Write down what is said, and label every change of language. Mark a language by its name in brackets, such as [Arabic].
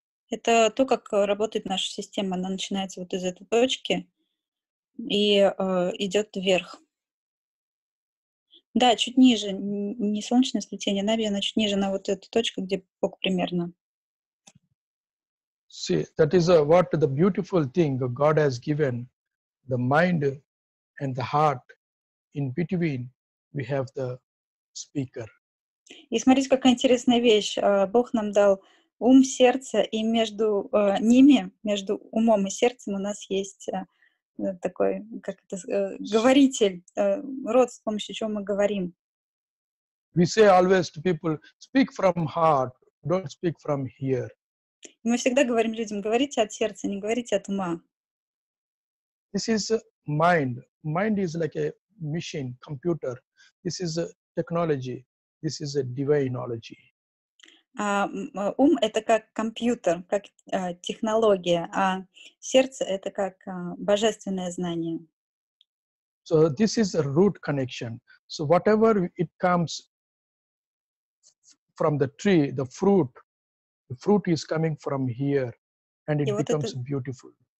[Russian] Это то, как работает наша система. Она начинается вот из этой точки и идет вверх. Да, чуть ниже, не солнечное сплетение Наби, она чуть ниже, на вот эту точку, где Бог примерно. [English] See, that is what the beautiful thing God has given, the mind and the heart, in between we have the speaker. [Russian] И смотрите, какая интересная вещь. Бог нам дал ум, сердце, и между ними, между умом и сердцем у нас есть такой, как это, говоритель, рот, с помощью чего мы говорим. [English] We say always to people, speak from heart, don't speak from here. [Russian] И мы всегда говорим людям, говорите от сердца, не говорите от ума. [English] This is mind. Mind is like a machine, computer. This is a technology. This is a divineology. [Russian] Ум — это как компьютер, как технология, а сердце — это как божественное знание. [English] So this is a root connection. So whatever it comes from the tree, the fruit is coming from here, and it becomes beautiful.